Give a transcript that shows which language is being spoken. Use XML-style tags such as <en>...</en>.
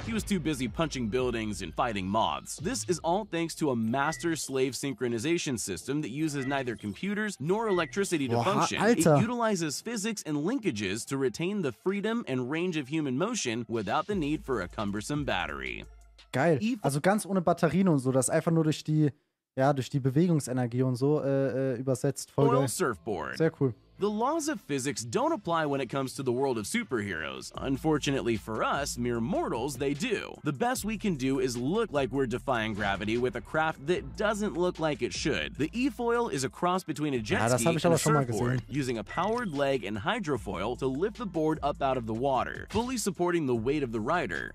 <en>He was too busy punching buildings and fighting moths. This is all thanks to a master-slave synchronization system that uses neither computers nor electricity to function.</en> <de>Alter.</de> <en>It utilizes physics and linkages to retain the freedom and range of human motion without the need for a cumbersome battery.</en> <de>Geil. Also ganz ohne Batterien und so, das ist einfach nur durch die, ja, durch die Bewegungsenergie und so übersetzt. Voll geil. Surfboard. Sehr cool.</de> <en>The laws of physics don't apply when it comes to the world of superheroes. Unfortunately for us, mere mortals, they do. The best we can do is look like we're defying gravity with a craft that doesn't look like it should. The e-foil is a cross between a jet ski and a surfboard, using a powered leg and hydrofoil to lift the board up out of the water, fully supporting the weight of the rider.</en>